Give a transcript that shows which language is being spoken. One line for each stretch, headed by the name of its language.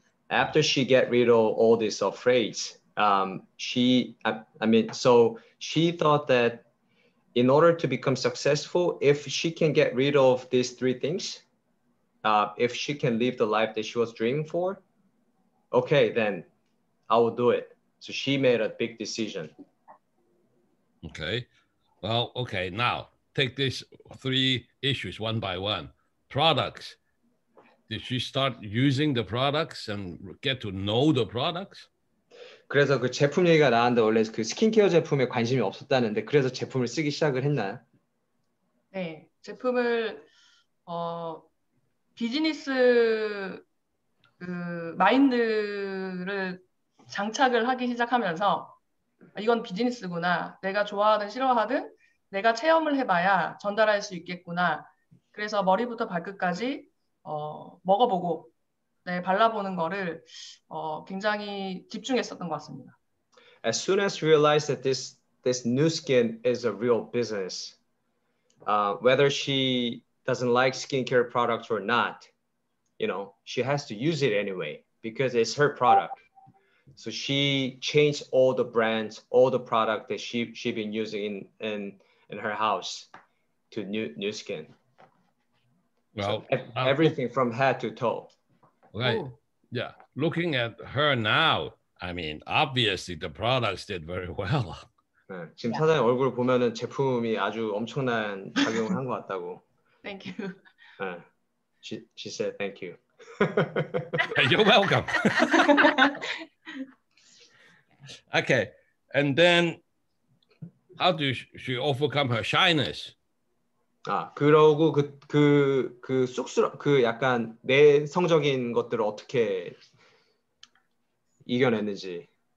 English: After she get rid of all these afraid, so she thought that in order to become successful, if she can get rid of these three things, if she can live the life that she was dreaming for, okay, then I will do it. So she made a big decision. Okay. Well, okay, now take these three issues one by one. Products. Did she start using the products and get to know the products?
Korean: 그래서 그 제품 얘기가 나왔는데 원래 그 스킨케어 제품에 관심이 없었다는데 그래서 제품을 쓰기 시작을 했나요? 네, 제품을 비즈니스 그 마인드를 장착을 하기 시작하면서 이건 비즈니스구나. 내가 좋아하든 싫어하든 내가 체험을 해봐야 전달할 수 있겠구나. 그래서 머리부터 발끝까지 먹어보고 네, 발라보는 거를 굉장히 집중했었던 것 같습니다.
English: As soon as you realize that this new skin is a real business, whether she doesn't like skincare products or not, you know, she has to use it anyway because it's her product. So she changed all the brands, all the product that she been using in her house to new skin. Well, so everything from head to toe. Right. Ooh. Yeah. Looking at her now, I mean, obviously the products did very well.
Korean: 지금 사장님 얼굴 보면은 제품이 아주 엄청난 작용을 한 것 같다고.
English: Thank you. She said thank you. You're welcome. Okay. And then, how do she overcome her shyness?
Korean: 아, 그러고 그 쑥스러 그 약간 내성적인 것들을 어떻게 이겨냈는지.